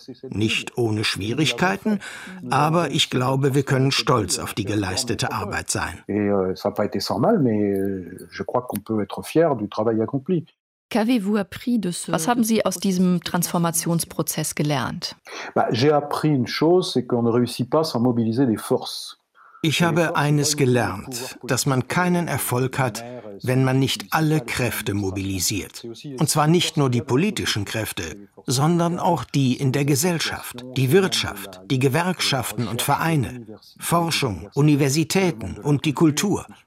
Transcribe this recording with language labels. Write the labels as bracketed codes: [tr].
[de] Nicht ohne Schwierigkeiten, aber ich glaube, wir können stolz auf die geleistete Arbeit sein. Was haben Sie aus diesem Transformationsprozess gelernt? [fr] J'ai appris une chose, c'est qu'on ne réussit pas sans mobiliser des forces. [de] Ich habe eines gelernt, dass man keinen Erfolg hat, wenn man nicht alle Kräfte mobilisiert. Und zwar nicht nur die politischen Kräfte, sondern auch die in der Gesellschaft, die Wirtschaft, die Gewerkschaften und Vereine, Forschung, Universitäten und die Kultur.